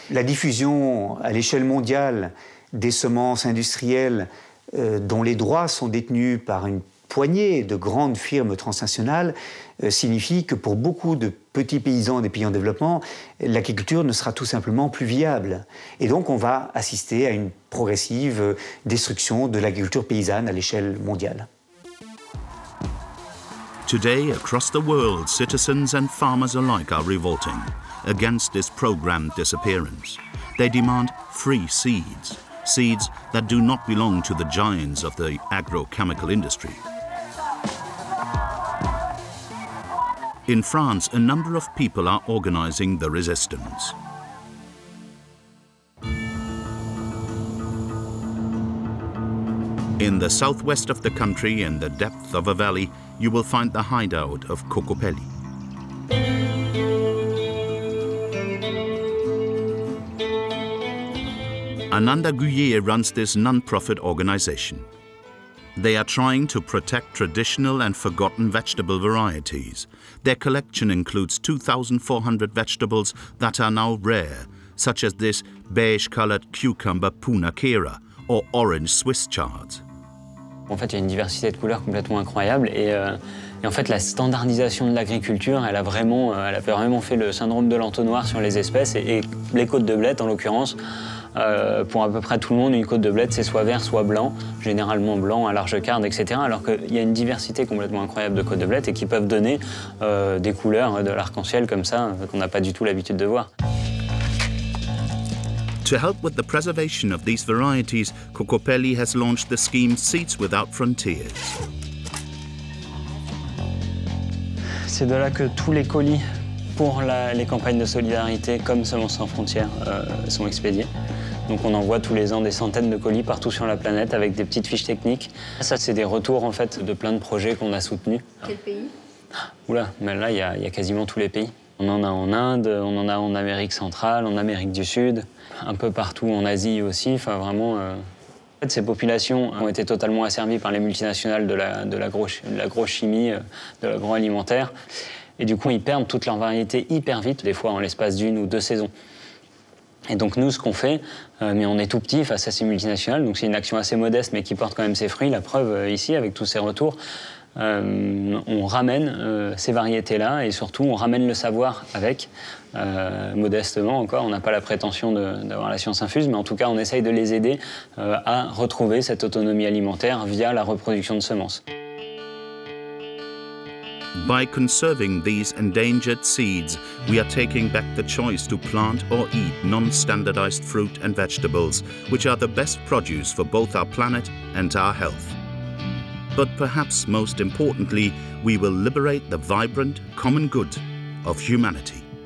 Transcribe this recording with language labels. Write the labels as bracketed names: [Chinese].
[French] La diffusion à l'échelle mondiale des semences industrielles dont les droits sont détenus par une poignée de grandes firmes transnationales signifie que pour beaucoup de petits paysans et des pays en développement, l'agriculture ne sera tout simplement plus viable. Et donc on va assister à une progressive destruction de l'agriculture paysanne à l'échelle mondiale. [English] Today, across the world, citizens and farmers alike are revolting against this programmed disappearance. They demand free seeds. Seeds that do not belong to the giants of the agrochemical industry. In France, a number of people are organizing the resistance. In the southwest of the country, in the depth of a valley, you will find the hideout of Cocopelli. Ananda Guyer runs this non-profit organization. They are trying to protect traditional and forgotten vegetable varieties. Their collection includes 2,400 vegetables that are now rare, such as this beige-colored cucumber Puna Kera or orange Swiss chard. [French] En fait, il y a une diversité de couleurs complètement incroyable et en fait, la standardisation de l'agriculture, elle a vraiment fait le syndrome de l'entonnoir sur les espèces et les côtes de blettes en l'occurrence. Pour à peu près tout le monde, une côte de blette, c'est soit vert, soit blanc, généralement blanc, à large carde, etc. Alors qu'il y a une diversité complètement incroyable de côtes de blette et qui peuvent donner des couleurs de l'arc-en-ciel comme ça, qu'on n'a pas du tout l'habitude de voir. [English] To help with the preservation of these varieties, Cocopelli has launched the scheme Seeds Without Frontiers. [French] C'est de là que tous les colis pour les campagnes de solidarité comme Semences sans frontières sont expédiés. Donc on envoie tous les ans des centaines de colis partout sur la planète avec des petites fiches techniques. Ça, c'est des retours en fait de plein de projets qu'on a soutenus. Quel pays ? Oula, mais là, il y a quasiment tous les pays. On en a en Inde, on en a en Amérique centrale, en Amérique du Sud, un peu partout en Asie aussi. Enfin, vraiment, en fait, ces populations ont été totalement asservies par les multinationales de l'agrochimie, de l'agroalimentaire. Et du coup, ils perdent toute leur variété hyper vite, des fois en l'espace d'une ou deux saisons. Et donc nous, ce qu'on fait, mais on est tout petit face à ces multinationales, donc c'est une action assez modeste, mais qui porte quand même ses fruits. La preuve, ici, avec tous ces retours, on ramène ces variétés-là, et surtout, on ramène le savoir avec, modestement encore. On n'a pas la prétention d'avoir la science infuse, mais en tout cas, on essaye de les aider à retrouver cette autonomie alimentaire via la reproduction de semences. [English] By conserving these endangered seeds, we are taking back the choice to plant or eat non-standardized fruit and vegetables, which are the best produce for both our planet and our health. But perhaps most importantly, we will liberate the vibrant common good of humanity.